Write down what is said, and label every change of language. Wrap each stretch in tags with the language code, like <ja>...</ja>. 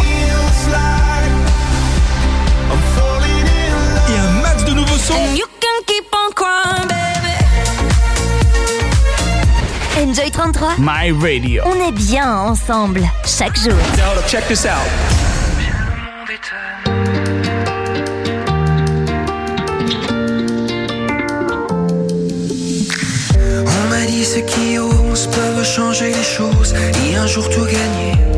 <fr>Et un max de nouveaux sons.</fr> <en>You can keep on crying, baby. Enjoy 33. My radio.</en> <fr>On est bien ensemble chaque jour.</fr> <en>Now, check this out.</en> <fr>Ceux qui osent peuvent changer les choses et un jour tout gagner.</fr>